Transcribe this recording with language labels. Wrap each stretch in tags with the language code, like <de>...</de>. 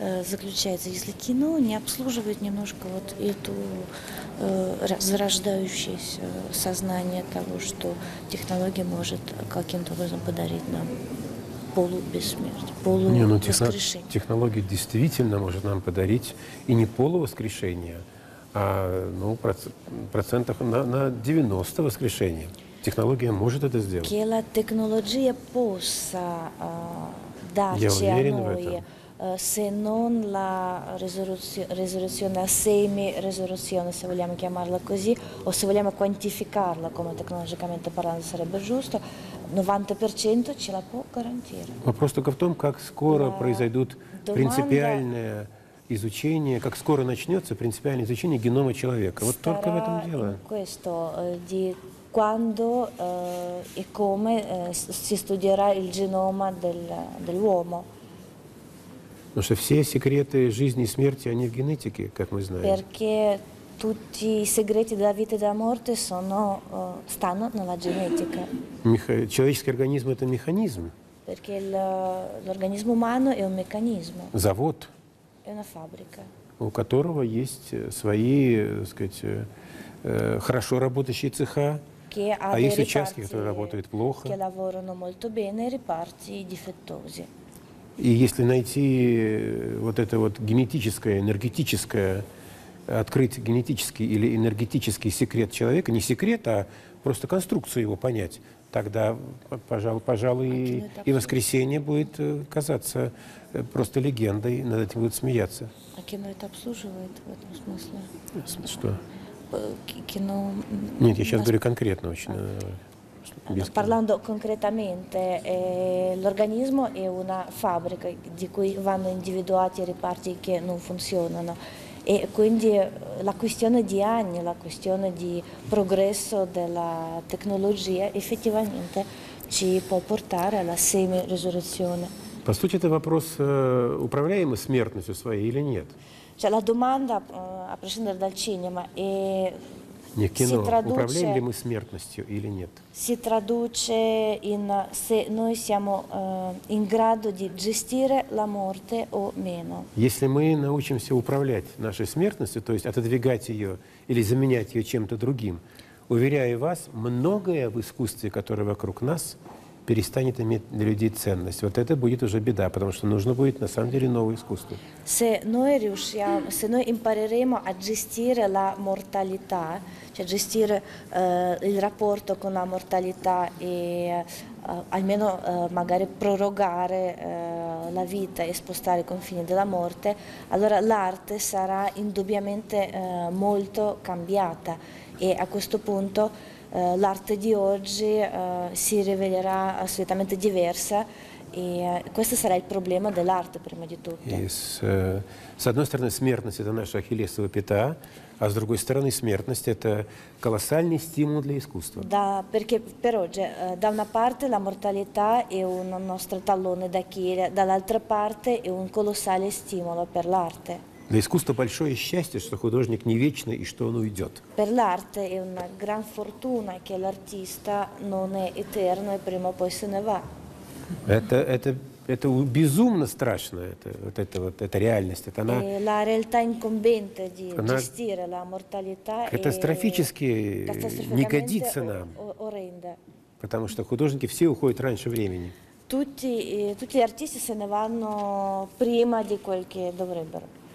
<ru>Заключается, если кино не обслуживает немножко вот эту зарождающееся сознание того, что технология может каким-то образом подарить нам полубессмертие, полувоскрешение. Технология действительно может нам подарить и не полувоскрешение, а ну, процентов на 90 воскрешения. Технология может это сделать.</ru> <it>Que la tecnologia possa darci a noi, se non la risurrezione, la semi-risurrezione, se vogliamo chiamarla così, o se vogliamo quantificarla come tecnologicamente parlando sarebbe giusto, 90% ce la può garantire.</it> <ru>Вопрос только в том, как скоро произойдут принципиальные изучение, как скоро начнется принципиальное изучение генома человека. Вот только в этом дело.</ru> <it>Questo di quando e come si studierà il genoma dell'uomo.</it> <ru>Потому что все секреты жизни и смерти они в генетике, как мы знаем.</ru> <it>Perché tutti i segreti della vita e della morte sono stanno nella genetica.</it> <ru>Человеческий организм это механизм.</ru> <it>Perché l'organismo umano è un meccanismo.</it> <ru>Завод.</ru> <it>Una fabbrica.</it> <ru>У которого есть свои, так сказать, хорошо работающие цеха,</ru> <it>che</it> <ru>а есть участки, которые работают плохо.</ru> <it>Che lavorano molto bene, reparti difettosi.</it> <ru>И если найти вот это вот генетическое, энергетическое, открыть генетический или энергетический секрет человека, не секрет, а просто конструкцию его понять, тогда, пожалуй, и воскресенье будет казаться просто легендой, над этим будут смеяться. А кино это обслуживает в этом смысле? Что? кино... Нет, я сейчас говорю конкретно очень.</ru> <it>Parlando concretamente, l'organismo è una fabbrica di cui vanno individuati reparti che non funzionano e quindi la questione di anni, la questione di progresso della tecnologia effettivamente ci può portare alla semi-risurrezione.</it> <ru>По сути, это вопрос, управляемы смертностью своей или нет?</ru> <it>Cioè, la domanda, a prescindere dal cinema, è...</it> <ru>Не кино. Управляем ли мы смертностью или нет?</ru> <it>Si traduce in se noi siamo in grado di gestire la morte o meno.</it> <ru>Если мы научимся управлять нашей смертностью, то есть отодвигать ее или заменять ее чем-то другим, уверяю вас, многое в искусстве, которое вокруг нас, перестанет иметь для людей ценность. Вот это будет уже беда, потому что нужно будет на самом деле новое искусство.</ru> <it>Se noi riusciamo, se noi impareremo a gestire la mortalità, cioè gestire il rapporto con la mortalità e almeno magari prorogare la vita e spostare i confini della morte, allora l'arte sarà indubbiamente molto cambiata e a questo punto l'arte di oggi si rivelerà assolutamente diversa e questo sarà il problema dell'arte prima di tutto.</it> <ru>С одной стороны, смертность – это наша ахиллесова пята, а с другой стороны, смертность – это колоссальный стимул для искусства.</ru> <it>Да, perché per oggi da una parte la mortalità è un nostro tallone d'Achille, dall'altra parte è un colossale stimolo per l'arte.</it> <ru>Для искусства большое счастье, что художник не вечный и что он уйдет.</ru> <it>Per l'arte è una gran fortuna che l'artista non è eterno e prima o poi se ne va.</it> <ru>Это безумно страшно, это реальность, это она.</ru> <it>E la realtà incombente di gestire la mortalità è</it> <ru>катастрофически не годится нам.</ru> <it>Orrenda.</it> <ru>Потому что художники все уходят раньше времени.</ru> <it>Tutti gli artisti se ne vanno prima di quel che dovrebbero.</it>